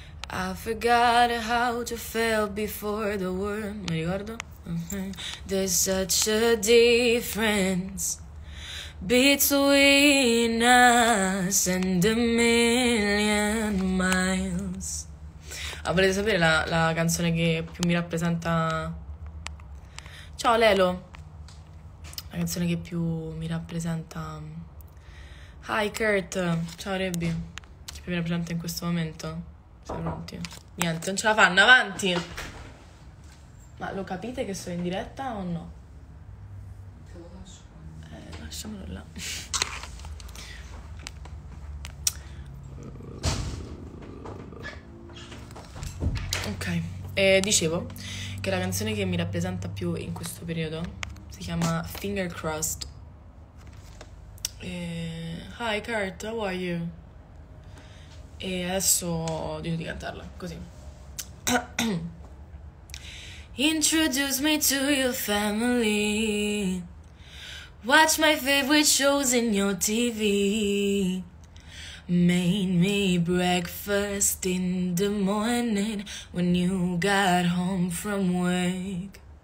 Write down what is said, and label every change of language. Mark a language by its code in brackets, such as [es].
[en] I forgot how to feel before the world. [it] Mi ricordo? [en] There's such a difference between us and a million miles. [it] Ah, volete sapere la canzone che più mi rappresenta? Ciao Lelo. La canzone che più mi rappresenta. [en] Hi Kurt. [it] Ciao Rebby. Che più mi rappresenta in questo momento? Siamo pronti? Niente, non ce la fanno, avanti! Ma lo capite che sono in diretta o no? Lasciamolo là. Ok, dicevo che la canzone che mi rappresenta più in questo periodo si chiama Finger Crossed. [en] Hi Kurt, how are you? [it] E adesso ho deciso di cantarla, così. [en] Introduce me to your family. Watch my favorite shows in your TV. Made me breakfast in the morning when you got home from work.